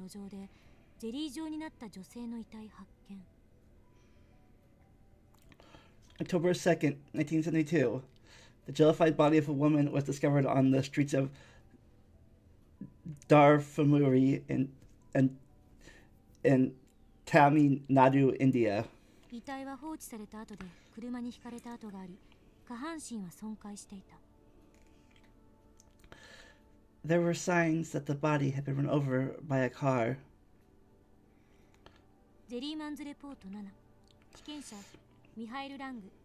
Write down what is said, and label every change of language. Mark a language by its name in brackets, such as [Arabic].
[Japanese] 1972年10月2日インドタミルナードゥ州のダルマプリの路上でゼリー状になった女性の遺体発見。 [English] October 2nd, 1972. The jellified body of a woman was discovered on the streets of Darfamuri in Tamil Nadu, India. [Japanese] 遺体は放置された後で車に轢かれた跡があり、下半身は損壊していた。 [English] There were signs that the body had been run over by a car. [Japanese] ゼリーマンズレポート7。被験者、ミハイル・ラング。